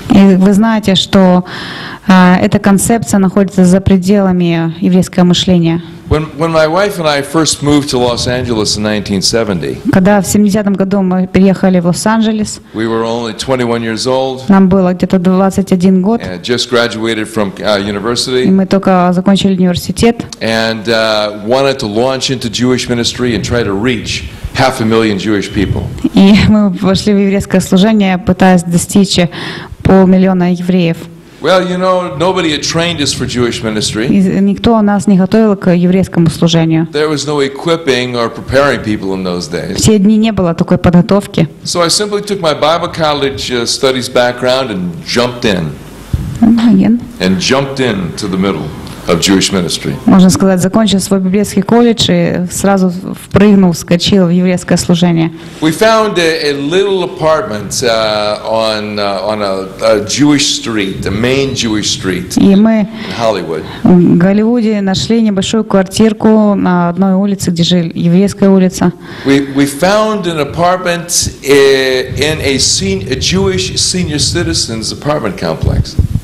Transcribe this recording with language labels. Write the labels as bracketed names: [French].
[Russian] И вы знаете, что эта концепция находится за пределами еврейского мышления. [English] When my wife and I first moved to Los Angeles in 1970, [Russian] когда в 70-м году мы переехали в Лос-Анджелес, [English] we were only 21 years old. [Russian] Нам было где-то 21 год. [English] And just graduated from university. [Russian] И мы только закончили университет. [English] And wanted to launch into Jewish ministry and try to reach 500,000 Jewish people. [Russian] И мы вошли в еврейское служение, пытаясь достичь 500,000 евреев. [English] Well, you know, nobody had trained us for Jewish ministry. [Russian] Никто нас не готовил к еврейскому служению. [English] There was no equipping or preparing people in those days. [Russian] В те дни не было такой подготовки. [English] So I simply took my Bible college studies background and jumped in. And jumped in to the middle of Jewish ministry. [Russian] Можно сказать, закончил свой библейский колледж и сразу впрыгнул, вскочил в еврейское служение. [English] We found a little apartment on a Jewish street, the main Jewish street. [Russian] И мы [English] in Hollywood. [Russian] В Голливуде нашли небольшую квартирку на одной улице, где жили, еврейская улица. [English] We found an apartment in a Jewish senior citizens apartment complex.